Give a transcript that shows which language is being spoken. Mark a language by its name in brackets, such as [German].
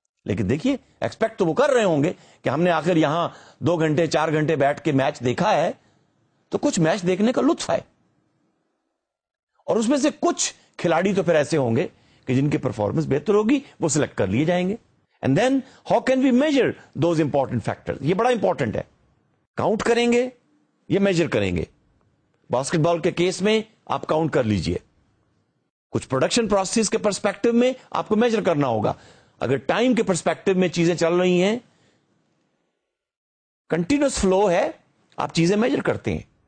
[Urdu] لیکن دیکھیے ایکسپیکٹ تو وہ کر رہے ہوں گے کہ ہم نے آخر یہاں دو گھنٹے چار گھنٹے بیٹھ کے میچ دیکھا ہے تو کچھ میچ دیکھنے کا لطف ہے. اور اس میں سے کچھ کھلاڑی تو پھر ایسے ہوں گے کہ جن کی پرفارمنس بہتر ہوگی وہ سلیکٹ کر لیے جائیں گے. [English] And then, how can we measure those important factors? [Urdu] یہ بڑا important ہے. Count کریں گے یا measure کریں گے؟ باسکٹ بال کے کیس میں آپ count کر لیجئے. کچھ production processes کے perspective میں آپ کو measure کرنا ہوگا. اگر time کے perspective میں چیزیں چل رہی ہیں, continuous flow ہے, آپ چیزیں measure کرتے ہیں.